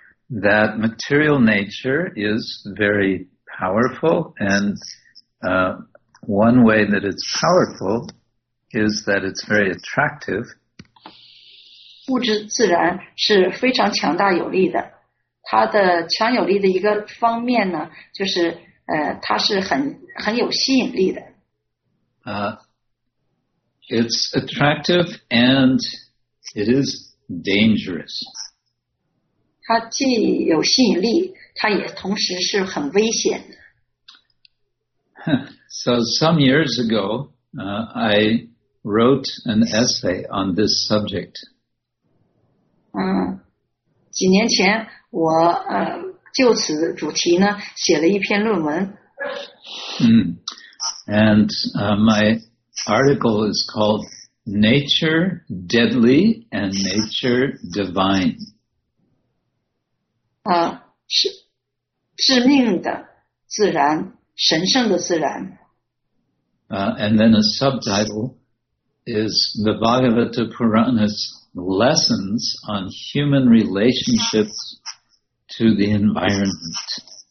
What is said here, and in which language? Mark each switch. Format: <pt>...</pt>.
<en>That material nature is very powerful, and one way that it's powerful is that it's very attractive.</en> <zh>物质自然是非常强大有力的，它的强有力的一个方面呢，就是它是很有吸引力的。</zh> <en>It's attractive and it is dangerous.</en> <zh>它既有吸引力，它也同时是很危险的。</zh> <en>So some years ago, I wrote an essay on this subject.</en> <zh>几年前我就此主题呢写了一篇论文。</zh> <en>And my article is called Nature Deadly and Nature Divine.</en> <zh>是致命的自然，神圣的自然。</zh> <en>And then a subtitle is the Bhagavata Purana's lessons on human relationships to the environment.</en>